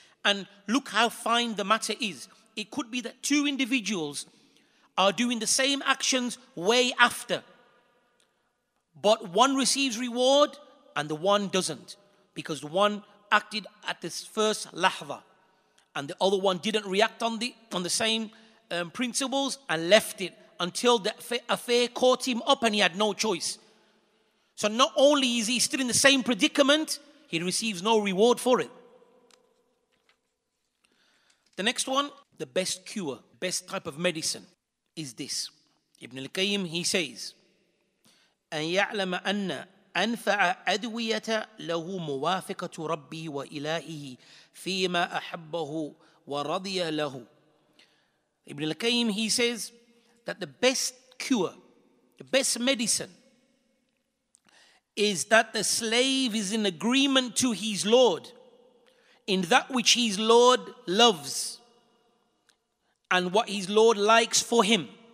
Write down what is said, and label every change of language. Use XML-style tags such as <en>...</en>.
<en>And look how fine the matter is. It could be that two individuals are doing the same actions way after, but one receives reward and the one doesn't, because the one acted at this first lahza and the other one didn't react on the same principles and left it until the affair caught him up and he had no choice. So not only is he still in the same predicament, he receives no reward for it. The next one, the best cure, best type of medicine, is this. Ibn al-Qayyim, he says,</en> <ar>أَنْ يَعْلَمَ أَنَّ أَنْفَعَ أَدْوِيَةَ لَهُ مُوَافِقَةُ رَبِّهِ وَإِلَٰهِهِ فِيمَا أَحَبَّهُ وَرَضِيَ لَهُ.</ar> <en>Ibn al-Qayyim, he says that the best cure, the best medicine, is that the slave is in agreement to his Lord in that which his Lord loves and what his Lord likes for him.</en>